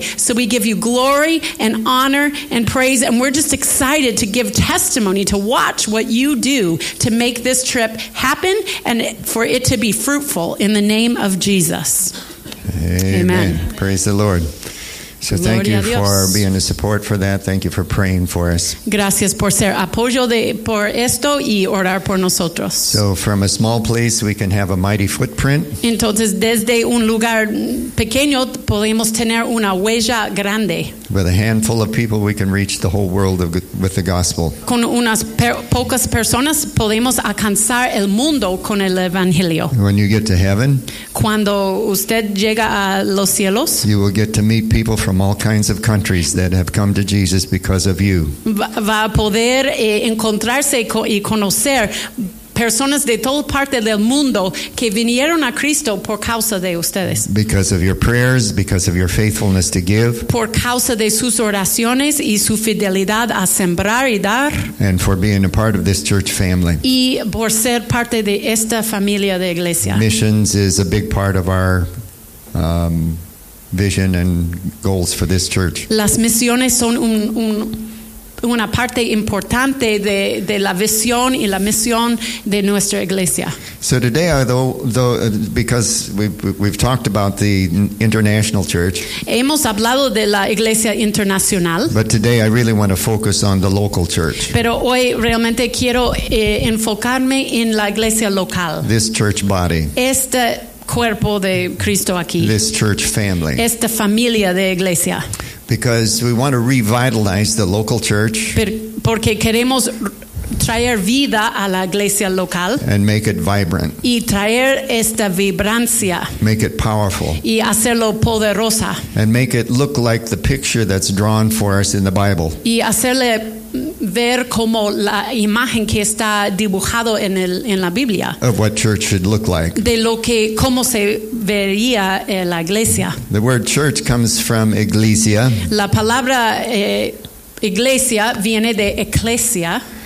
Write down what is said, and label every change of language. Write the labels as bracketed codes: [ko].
[en] So we give you glory and honor and praise, and we're just excited to give testimony, to watch what you do to make this trip happen and for it to be fruitful in the name of Jesus. Amen. Praise the Lord. So thank you for being a support for that. Thank you for praying for us. [es] Gracias por ser apoyo de por esto y orar por nosotros. [en] So from a small place, we can have a mighty footprint. [es] Entonces, desde un lugar pequeño, podemos tener una huella grande. [en] With a handful of people, we can reach the whole world with the gospel. [es] Con unas pocas personas, podemos alcanzar el mundo con el evangelio. [en] When you get to heaven, [es] cuando usted llega a los cielos, [en] you will get to meet people from all kinds of countries that have come to Jesus because of you. [es] Va a poder encontrarse y conocer personas de toda parte del mundo que vinieron a Cristo por causa de ustedes. [en] Because of your prayers, because of your faithfulness to give. [es] Por causa de sus oraciones y su fidelidad a sembrar y dar. [en] And for being a part of this church family. [es] Y por ser parte de esta familia de iglesia. [en] Missions is a big part of our vision and goals for this church. [es] Las misiones son una parte importante de la visión y la misión de nuestra iglesia. [en] So today, though, because we've talked about the international church, [es] hemos hablado de la iglesia internacional. [en] But today, I really want to focus on the local church. [es] Pero hoy realmente quiero enfocarme en la iglesia local. [en] This church body. [es] Esta cuerpo de Cristo aquí. [en] This church family. [es] Esta familia de iglesia. [en] Because we want to revitalize the local church. [es] Porque queremos traer vida a la iglesia local. [en] And make it vibrant. [es] Y traer esta vibrancia. [en] Make it powerful. [es] Y hacerlo poderosa. [en] And make it look like the picture that's drawn for us in the Bible. [es] Y hacerle ver como la imagen que está dibujado en la Biblia. [en] Of what church should look like. [es] De lo que, cómo se vería la iglesia. [en] The word church comes from iglesia. [es] La palabra iglesia viene de eclesia.